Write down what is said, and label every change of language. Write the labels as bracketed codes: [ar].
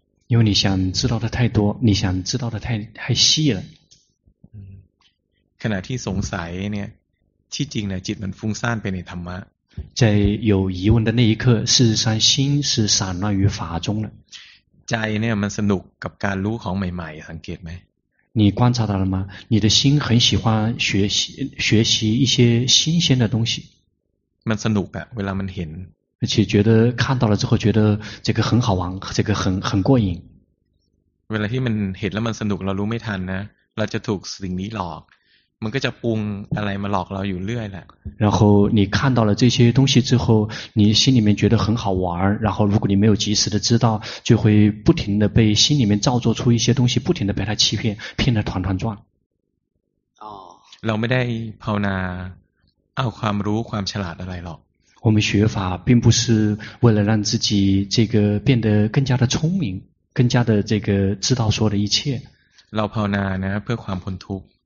[zh] 因为你想知道的太多你想知道的太细了 [th] ขณะที่สงสัยเนี่ยที่จริงนะจิตมันฟุ้งซ่านไปในธรรมะ [zh] 在有疑问的那一刻事实上心是散乱于法中了 [th] ใจเนี่ยมันสนุกกับการรู้ของใหม่ๆสังเกตไหม [zh] 你观察到了吗你的心很喜欢学习一些新鲜的东西 [th] มันสนุกอะเวลามันเห็น [zh] 而且觉得看到了之后觉得这个很好玩这个很过瘾 [th] เวลาที่มันเห็นแล้วมันสนุกเรารู้ไม่ทันนะเราจะถูกสิ่งนี้หลอกมันก็จะปรุงอะไรมาหลอกเราอยู่เรื่อยแหละ [zh] 然后你看到了这些东西之后你心里面觉得很好玩然后如果你没有及时的知道就会不停的被心里面造作出一些东西不停的被他欺骗骗得团团转哦 [th] เราไม่ได้ภาวนาเอาความรู้ความฉลาดอะไรหรอก [zh] 我们学法并不是为了让自己这个变得更加的聪明更加的这个知道说的一切 [th] เราภาวนานะเพื่อความพ้นทุกข์